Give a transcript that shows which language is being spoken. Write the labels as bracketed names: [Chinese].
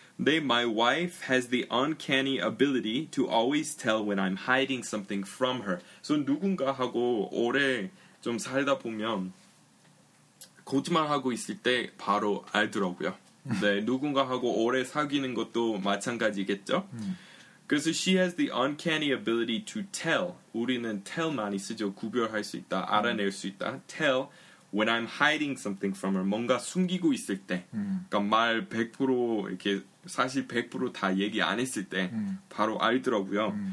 [English] They, my wife has the uncanny ability to always tell when I'm hiding something from her. [Korean] So 누군가하고 오래 좀 살다 보면 거짓말하고 있을 때 바로 알더라고요. 네, 누군가하고 오래 사귀는 것도 마찬가지겠죠. [English] 그래서 she has the uncanny ability to tell. [Korean] 우리는 tell 많이 쓰죠. 구별할 수 있다, 알아낼 수 있다. [English] Tell when I'm hiding something from her. [Korean] 뭔가 숨기고 있을 때. 그러니까 말 100% 이렇게 사실 100% 다 얘기 안 했을 때 바로 알더라고요.